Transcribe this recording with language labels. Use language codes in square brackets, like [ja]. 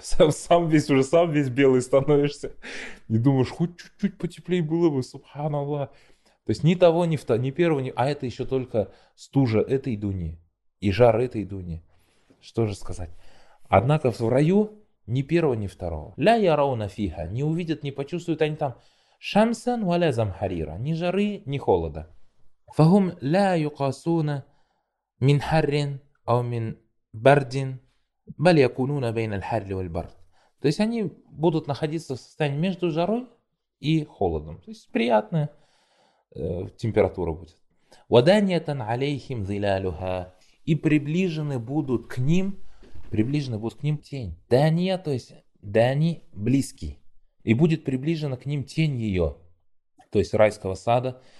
[ru] Сам весь белый становишься. И думаешь, хоть чуть-чуть потеплее было бы, субхан Аллах. То есть ни того, ни второго, ни первого, ни... А это еще только стужа этой дуни. И жар этой дуни. Что же сказать? Однако в раю ни первого, ни второго. [ar] Ля ярауна фиха. [ru] Не увидят, не почувствуют они там. [ar] Шамсан валя замхарира. [ru] Ни жары, ни холода. [ar] فهم لا يقاسون من حر أو من برد بل يكونون بين الحر والبرد. [ru] То есть они будут находиться в состоянии между жарой и холодом. То есть приятная температура будет. [ar] وَدَانِيَةً عَلَيْهِمْ ظِلَالُهَا. [ru] И приближены будут к ним тень. Дания, то есть дани, близкий. И будет приближена к ним тень ее, то есть райского сада.